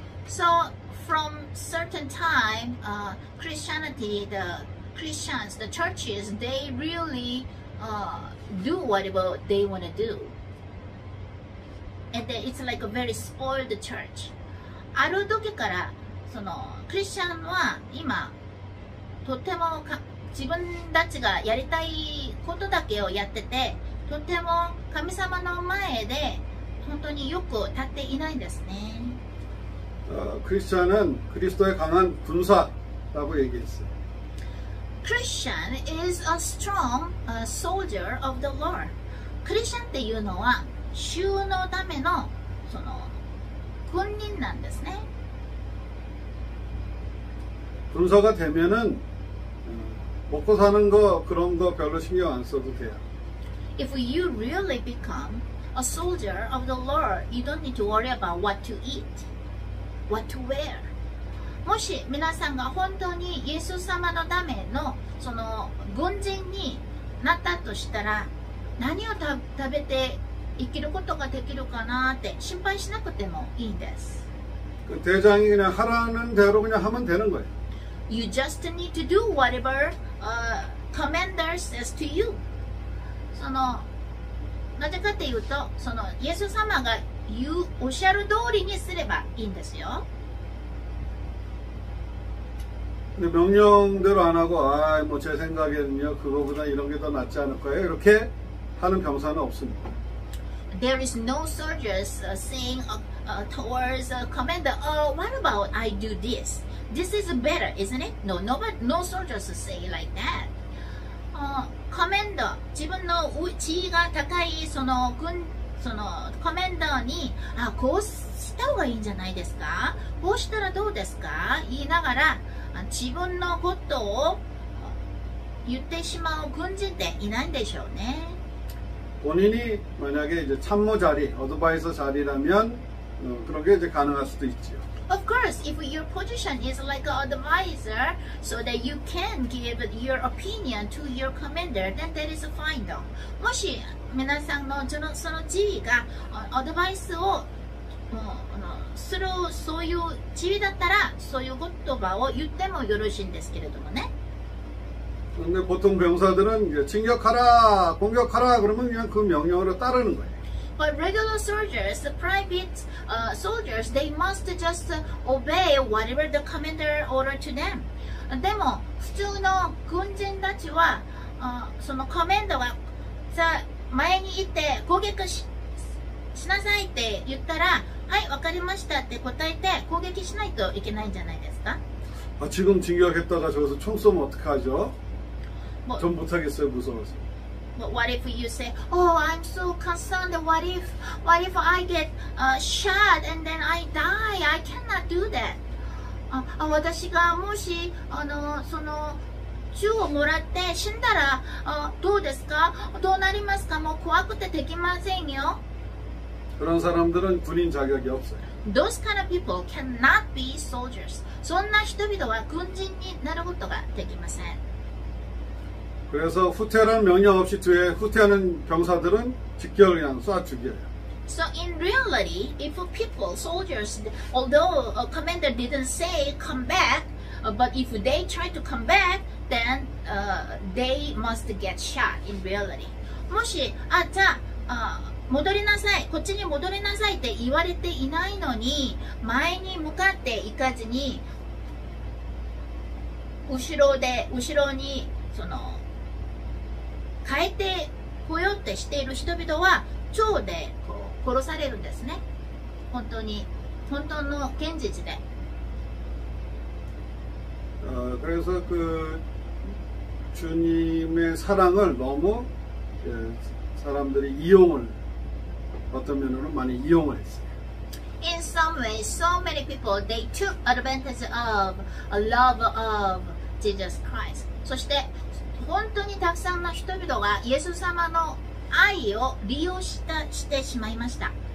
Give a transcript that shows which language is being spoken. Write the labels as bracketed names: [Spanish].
[English] So from certain time, Christianity, the Christians, the churches, they really do whatever they want to do. And then it's like a very spoiled church. [Japanese] ある時からそのクリスチャンは今とてもか自分たちがやりたいことだけをやってて、とても神様の前で本当によく立っていないんですね。クリスチャンはクリストに [Korean] 강한군사라고얘기했어요。 [English] Christian is a strong soldier of the Lord. [Japanese] Christian っていうのは主のためのその軍人なんですね。 [Korean] 군사가되면은먹고사는거그런거별로신경안써도돼요。 [English] If you really become a soldier of the Lord, you don't need to worry about what to eat, what to wear. [Japanese] もし皆さんが本当にイエス様のためのその軍人になったとしたら、何を食べて生きることができるかなって心配しなくてもいいんです。 [Korean] 그대장이그냥하라는대로그냥하면되는거예요。 [English] You just need to do whatever commander says to you. [Japanese] そのなぜかというと、そのイエス様が言うおっしゃる通りにすればいいんですよ。 [Korean] で、命令대로안하고、あ、もう、제생각에는요、그거보다이런게더낫지않을까요？ 이렇게하는병사는없습니다。 [English] There is no soldiers saying towards a commander, oh, what about I do this? This is better, isn't it? No, no soldiers say like that. [Japanese] コメンド、自分の地位が高いその軍、そのコメンドに、あ、こうした方がいいんじゃないですか？こうしたらどうですか？言いながら、自分のことを言ってしまう軍人っていないんでしょうね。 [Korean] 본인이만약에이제참모자리어드바이서자리라면그런게이제가능할수도있지요 [English] Of course, if your position is like an advisor, so that you can give your opinion to your commander, then that is fine though. [Japanese] もし皆さんのその地位がアドバイスをするそういう地位だったら、そういう言葉を言ってもよろしいんですけれどもね。 [Korean] 근데보통병사들은진격하라공격하라그러면그냥그명령으로따르는거예요 [English] But regular soldiers, private soldiers, they must just obey whatever the commander order to them. [Korean] 근데 [Japanese] 普通の軍人たちはそのコメンドがさ前に行って攻撃 しなさいって言ったらはい分かりましたって答えて攻撃しないといけないんじゃないですか [Korean] 아지금진격했다가저기서총쏘면어떡하죠전못하겠어요무서워서 [English] But what if you say, oh, I'm so concerned. What if I get shot and then I die? I cannot do that. [Japanese] 私がもしその銃をもらって死んだらどうですか？どうなりますか？もう怖くてできませんよ。 [Korean] 그런사람들은군인자격이없어요。 [English] Those kind of people cannot be soldiers. [Japanese] そんな人々は軍人になることができません。 [Korean] 그래서후퇴라는명령없이뒤에후퇴하는병사들은직결그냥쏴죽여요 [English] So in reality, if people, soldiers, although a commander didn't say come back, but if they try to come back, then they must get shot in reality. [Japanese] もし、あ、じゃあ、戻りなさい、こっちに戻りなさいって言われていないのに、前に向かって行かずに、後ろに、その、変えてこようってしている人々は腸でこう殺されるんですね。本当に本当の現実で。 [Korean] 그래서그주님의사랑을너무사람들이이용을어떤면으로많이이용을했어요 [English] In some ways, so many people they took advantage of a love of Jesus Christ. [Korean] 그리고 [Japanese] 本当にたくさんの人々がイエス様の愛を利用したしてしまいました。